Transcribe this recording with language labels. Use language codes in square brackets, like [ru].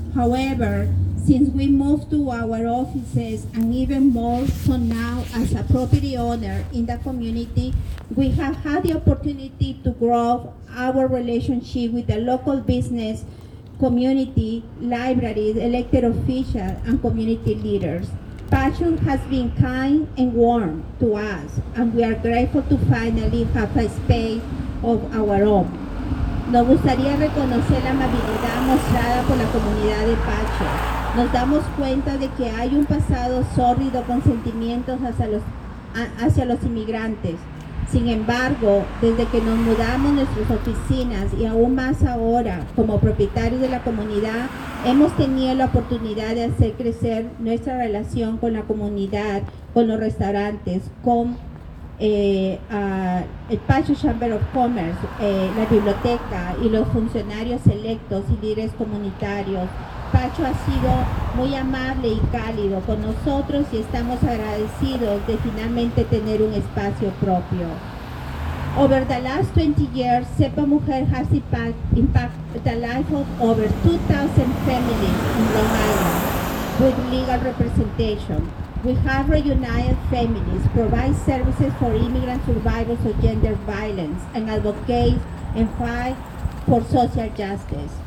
[en] However, since we moved to our offices, and even more so now as a property owner in the community, we have had the opportunity to grow our relationship with the local business community, libraries, elected officials, and community leaders. Passion has been kind and warm to us, and we are grateful to finally have a space of our own. [es] Nos gustaría reconocer la amabilidad mostrada por la comunidad de Passion. Nos damos cuenta de que hay un pasado sórdido con sentimientos hacia los inmigrantes. Sin embargo, desde que nos mudamos nuestras oficinas y aún más ahora como propietarios de la comunidad, hemos tenido la oportunidad de hacer crecer nuestra relación con la comunidad, con los restaurantes, con el Passion Chamber of Commerce, la biblioteca y los funcionarios electos y líderes comunitarios. Pacho ha sido muy amable y cálido con nosotros y estamos agradecidos de finalmente tener un espacio propio. [en] Over the last 20 years, SEPA Mujer has impacted the life of over 2,000 families in Long Island with legal representation. We have reunited families, provide services for immigrant survivors of gender violence, and advocate and fight for social justice.